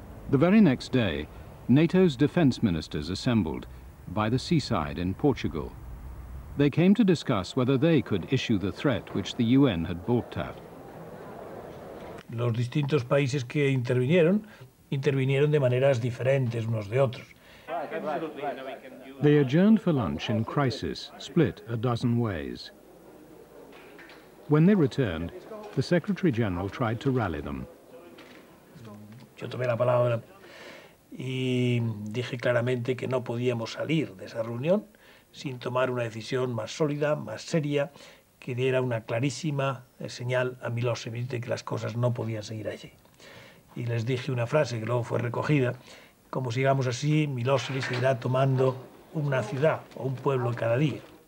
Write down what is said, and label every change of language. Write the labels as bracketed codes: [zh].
[en] The very next day, NATO's defense ministers assembled by the seaside in Portugal. They came to discuss whether they could issue the threat which the UN had balked at. [es] Los distintos países que intervinieron, intervinieron de maneras diferentes unos de otros. [en] They adjourned for lunch in crisis, split a dozen ways. When they returned, the Secretary General tried to rally them. [es] Yo tomé la palabra y dije claramente que no podíamos salir de esa reunión sin tomar una decisión más sólida, más seria, que diera una clarísima señal a Milosevic de que las cosas no podían seguir allí. Y les dije una frase que luego fue recogida, como sigamos así, Milosevic seguirá tomando una ciudad o un pueblo cada día.